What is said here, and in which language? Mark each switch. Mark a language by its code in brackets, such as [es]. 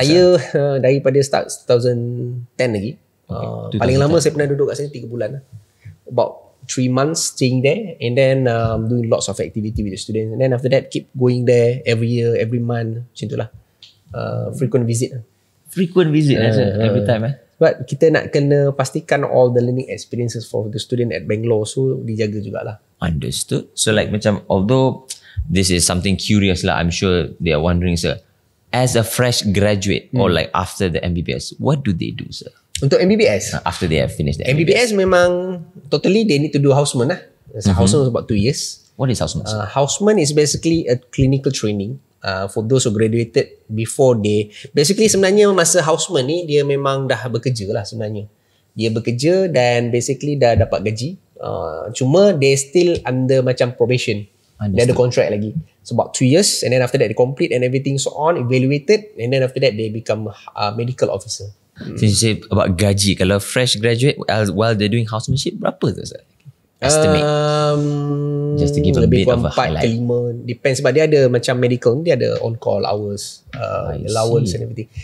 [ms] Saya daripada start 2010 lagi. Paling lama saya pernah duduk kat sini 3 bulan. [en] About 3 months staying there, and then doing lots of activity with the students, and then after that keep going there every year, every month, [ms] macam itulah. [en] Frequent visit Every time but [ms] kita nak kena pastikan [en] all the learning experiences for the student at Bangalore, so [ms] dijaga jugalah. [en] Understood. So like macam, although this is something curious lah, I'm sure they are wondering, sir, as a fresh graduate or like after the MBBS, what do they do, sir? [ms] Untuk MBBS? [en] After they have finished the MBBS. MBBS [ms] memang [en] totally they need to do houseman lah. Houseman is about 2 years. What is houseman? Houseman is basically a clinical training for those who graduated before they. [ms] Basically sebenarnya masa houseman ni, dia memang dah bekerja lah sebenarnya. Dia bekerja dan basically dah dapat gaji. Cuma [en] they still under [ms] macam probation. Dia ada contract lagi. [en] So about 2 years, and then after that they complete and everything so on, evaluated, and then after that they become a medical officer. Since you say about gaji, [ms] kalau [en] fresh graduate while they're doing housemanship, [ms] berapa tu, [en] sir? Estimate. Just to give a bit of a highlight. [ms] Lebih 4 ke 5. [en] Depends. [ms] Sebab dia ada macam [en] medical, [ms] dia ada [en] on-call hours, allowance and everything.